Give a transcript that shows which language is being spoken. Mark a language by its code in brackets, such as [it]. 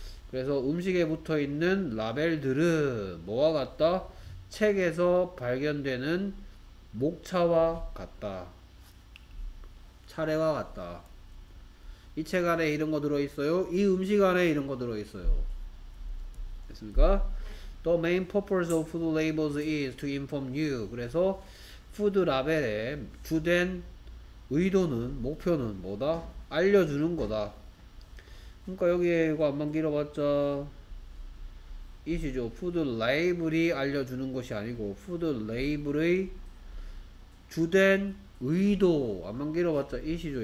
[ko] 그래서 음식에 붙어 있는 라벨들은 뭐와 같다? 책에서 발견되는 목차와 같다. 차례와 같다. 이 책 안에 이런 거 들어있어요? 이 음식 안에 이런 거 들어있어요. 됐습니까? [en] The main purpose of food labels is to inform you. [ko] 그래서 food 라벨의 주된 의도는, 목표는 뭐다? 알려주는 거다. 그러니까 여기에 이거 안만 길어봤자 이시죠. food label이 알려주는 것이 아니고 food label의 주된 의도 안만 길어봤자 이시죠.